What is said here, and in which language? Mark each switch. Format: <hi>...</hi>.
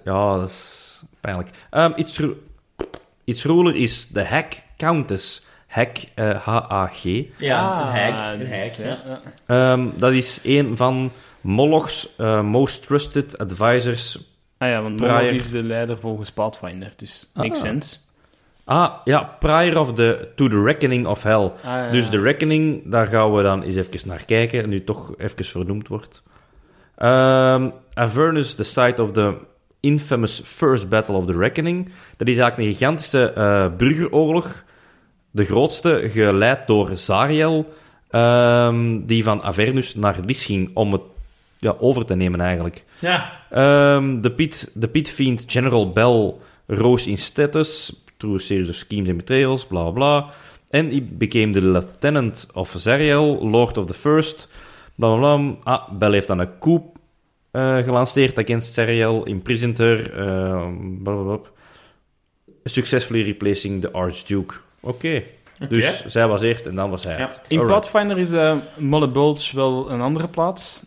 <nl>Ja, dat is pijnlijk. Iets roeler is de Hag Countess. Hag, H-A-G. Ja, hack. Ja. Dat is een van Moloch's</nl> <en>most trusted advisors.</en> <nl>Ah ja, want Moloch is de leider volgens Pathfinder, dus</nl> <en>makes sense. Ah, ja, prior of the, to the reckoning of hell.</en> <nl>Ah, ja. Dus de reckoning, daar gaan we dan eens even naar kijken, nu toch even vernoemd wordt.</nl> <en>Avernus, the site of the infamous first battle of the reckoning.</en> <nl>Dat is eigenlijk een gigantische burgeroorlog. De grootste, geleid door Zariel, die van Avernus naar Lys ging om het ja, over te nemen eigenlijk. Ja.</nl> <en>De pitfiend General Bell rose in status through a series of schemes and betrayals, bla bla. En he became the lieutenant of Zariel, Lord of the First, bla bla bla.</en> <nl>Ah, Bell heeft dan een coup gelanceerd</nl> <en>against Zariel, imprisoned her,</en> <nl>bla bla bla.</nl> <en>Successfully replacing the Archduke. Oké. Okay. Okay.</en> <nl>Dus zij was eerst en dan was hij. Ja. In Pathfinder is Molle Bulge wel een andere plaats.</nl>